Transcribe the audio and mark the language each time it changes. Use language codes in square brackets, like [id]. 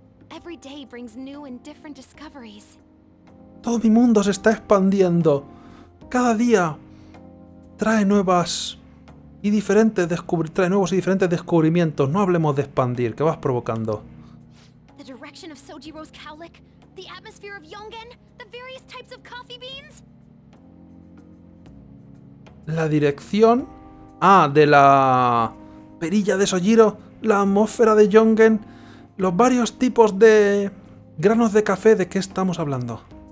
[en] Every day brings new and different discoveries. [es] Todo mi mundo se está expandiendo. Cada día trae nuevas y diferentes descubrimientos. No hablemos de expandir, que vas provocando. [en] The direction of Sojiro's cowlick, the atmosphere of Yongen, the various types of coffee beans. [es] La dirección de la perilla de Sojiro, la atmósfera de Yongen. Los varios tipos de granos de café, ¿de qué estamos hablando?